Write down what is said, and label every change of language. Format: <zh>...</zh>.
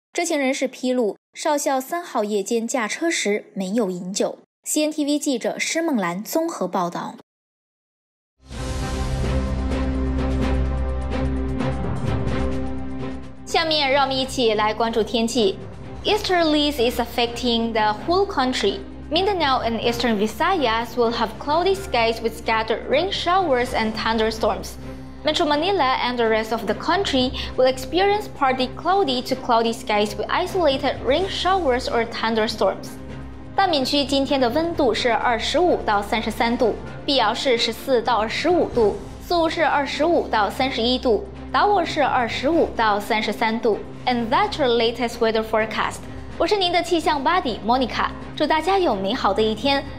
<zh>知情人士披露，少校3号夜间驾车时没有饮酒。 CNTV 记者施梦兰综合报道。下面让我们一起来关注天气。</zh> <en>Easterlies is affecting the whole country. Mindanao and Eastern Visayas will have cloudy skies with scattered rain showers and thunderstorms. Metro Manila and the rest of the country will experience partly cloudy to cloudy skies with isolated rain showers or thunderstorms.</en> <zh>大闽区今天的温度是25到33度，碧瑶市14到25度，宿雾市25到31度，达沃市25到33度。</zh> <en>And that's your latest weather forecast.</en> <zh>我是您的气象 buddy Monica， 祝大家有美好的一天。</zh>